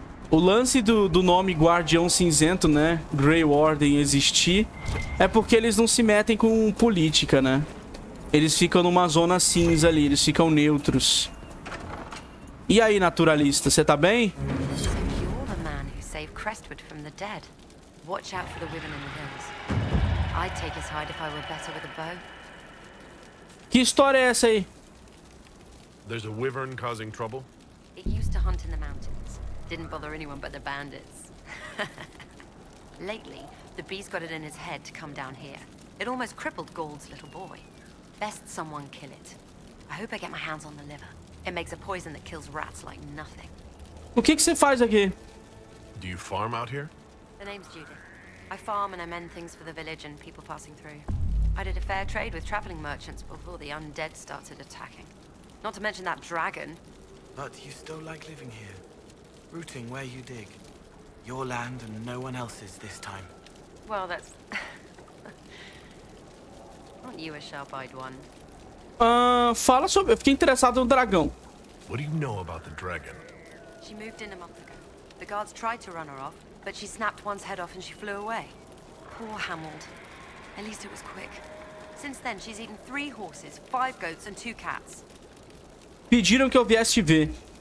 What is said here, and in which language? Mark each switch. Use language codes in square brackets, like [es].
[pt] O lance do nome Guardião Cinzento, né? Grey Warden existir, é porque eles não se metem com política, né? Eles ficam numa zona cinza ali, eles ficam neutros. E aí, naturalista, você tá bem? [en] You're the man who saved Crestwood from the dead. Watch out for the women in the hills. I'd take his hide if I were better with a bow. [pt] Que história é essa aí? [en] There's a wyvern causing trouble? It used to hunt in the mountains. Didn't bother anyone but the bandits. Lately, the beast got it in his head to come down here. It almost crippled Gaul's little boy. Best someone kill it. I hope I get my hands on the liver. It makes a poison that kills rats like nothing. [pt] O que você faz aqui? [en] Do you farm out here? The name's Judith. I farm and I mend things for the village and people passing through. I did a fair trade with traveling merchants before the undead started attacking. Not to mention that dragon. But you still like living here. Rooting where you dig. Your land and no one else's this time. Well, that's... aren't you a sharp-eyed one? [pt] Fala sobre... eu fiquei interessado no dragão. [en] What do you know about the dragon? She moved in a month ago. The guards tried to run her off, but she snapped one's head off and she flew away. Poor Hamald. At least it was quick. Since then, she's eaten 3 horses, 5 goats and 2 cats. [pt] Pediram que eu viesse te ver.